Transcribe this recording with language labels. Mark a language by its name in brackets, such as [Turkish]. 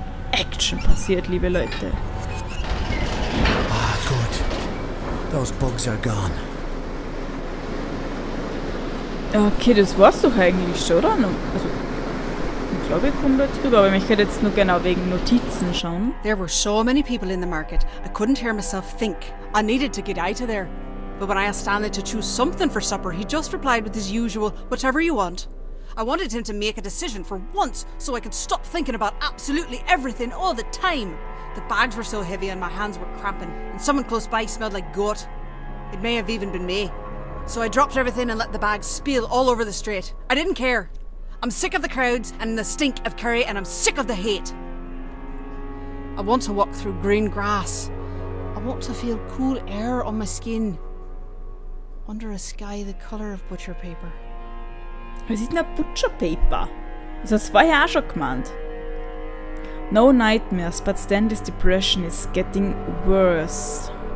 [German] Action passiert, liebe Leute. Ah, gut. [English] Those bugs are gone. [German] Okay, das war's doch eigentlich schon, oder? Also, ich glaube, ich komme jetzt rüber, aber ich hätte jetzt nur genau wegen Notizen schauen. [English] There were so many people in the market, I couldn't hear myself think. I needed to get out of there. But when I asked Stanley to choose something for supper, he just replied with his usual, whatever you want. I wanted him to make a decision for once, so I could stop thinking about absolutely everything all the time. The bags were so heavy and my hands were cramping, and someone close by smelled like goat. It may have even been me. So I dropped everything and let the bags spill all over the street. I didn't care. I'm sick of the crowds and the stink of curry and I'm sick of the hate. I want to walk through green grass. I want to feel cool air on my skin. Under a sky the color of butcher paper. [German] Was ist denn ein Butcher Paper? Also das war ja auch schon gemeint. [English] No nightmares, but Stanley's depression is getting worse.